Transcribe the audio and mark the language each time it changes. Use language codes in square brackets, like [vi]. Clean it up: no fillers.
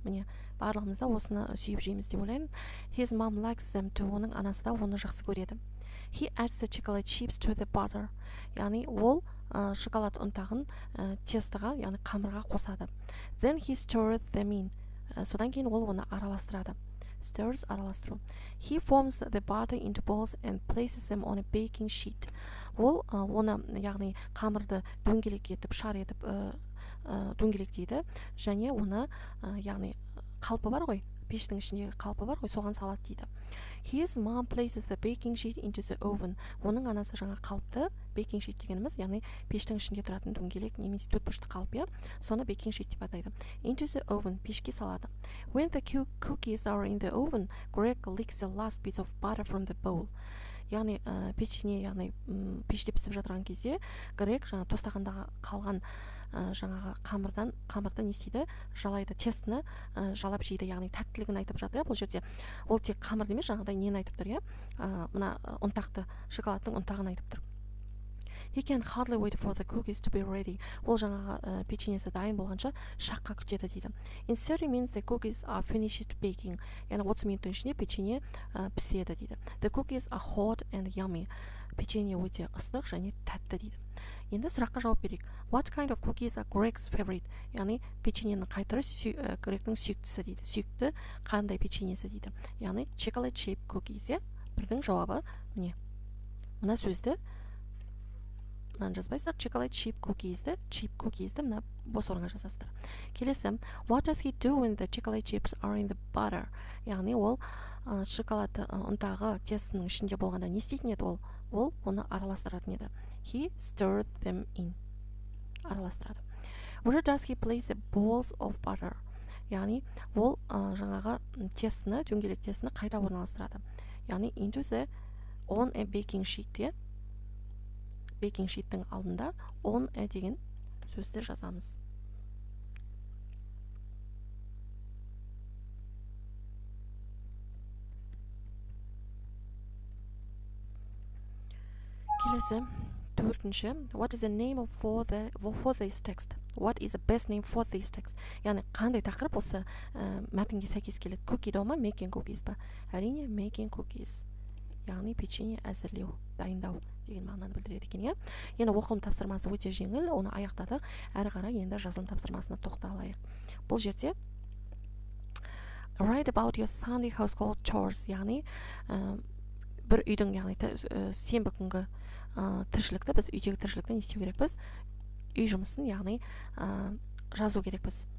[kk] Міне, барлығымызда осыны сүйіп жейміз деп ойлаймын. [en] His mom likes them too. [kk] Оның анасы да оны жақсы көреді. [en] He adds the chocolate chips to the butter. [kk] Яғни ол шоколад ұнтағын тестіға, яғни қамырға қосады. [en] Then he stirs them in. [kk] Содан кейін ол оны араластырады. Stirs, араластыру. [en] He forms the butter into balls and places them on a baking sheet. [kk] Ол оны, яғни қамырды дөңгелек етіп, шар етіп дөңгелек дейді. Және оны, яғни қалпы бар ғой, пештің ішіндегі қалпы бар ғой, соған салады дейді. [en] His mom places the baking sheet into the oven. [kk] Оның анасы жаңа қалыпты baking sheet дегеніміз, яғни пештің ішінде тұратын дөңгелек, немесе төртбұрышты қалып, соны baking sheet деп атайды. [en] Into the oven, [kk] пешке салады. [en] When the cookies are in the oven, Greg licks the last bits of butter from the bowl. [kk] Яғни печенье, яғни пеште пісіп жатырған кезде, Грег жаңа тостағандағы қалған жаңағы қамырды не істейді, жалайды, тестіні жалап жейді, яғни тәттілігін айтып жатыр. Бұл жерде ол тек қамырды емес, жаңағыдай нені айтып тұр, мына ұнтақты, шоколадтың ұнтағын айтып тұр. [en] He can hardly wait for the cookies to be ready. [kk] Ол жаңағы печеньесі дайын болғанша шаққа күтеді дейді. [en] In 30 minutes the cookies are finished baking. [kk] Яғни 30 минуттың ішінде печенье піседі дейді. [en] The cookies are hot and yummy. [kk] Печенье өте ыстық және тәтті дейді. Енді сұраққа жауап берейік. [en] What kind of cookies are Greg's favorite? [kk] Яғни печеньенің қайтары Грегтің сүйіктісі дейді. Сүйікті қандай печеньесі дейді. [en] Яғни chocolate chip cookies. [kk] Бірдің жауабы міне. Мына сөзді мынаны жазбайсыздар. [en] Chocolate chip cookies. Chip cookies. [kk] Мына бос орынға жазасыздар. Келесі. [en] What does he do when the chocolate chips are in the butter? [kk] Яғни ол шоколад ұнтағы тестінің ішінде болғанда не істейтін еді ол? Ол оны араластыратын еді. [en] He stirred them in. [kk] Араластырады. [en] Where does he place the balls of butter? [kk] Яғни ол жаңағы тестіні, дөңгелек тестіні қайда орналастырады. [en] Яғни into the on a baking sheet. [kk] Baking sheet-тің алдында on a деген сөзді жазамыз. Келесі, төртінші. [en] What is the name for this text? What is the best name for this text? [kk] Яғни қандай тақырып осы мәтінге сәйкес келеді? Cookie дау ма, [en] making cookies [kk] ба? Әрине, [en] making cookies. [kk] Яғни печенье әзірлеу, дайындау деген мағынаны білдіреді екен. Енді оқылым тапсырмасы өте жеңіл, оны аяқтадық. Әрі қарай енді жазылым тапсырмасына тоқталайық. Бұл жерде [en] write about your Sunday household chores. [kk] Яғни бір үйдің, яғни сенбі күнгі тіршілікті, біз үйдегі тіршілікті не істеу керекпіз? Үй жұмысын, яғни жазу керекпіз.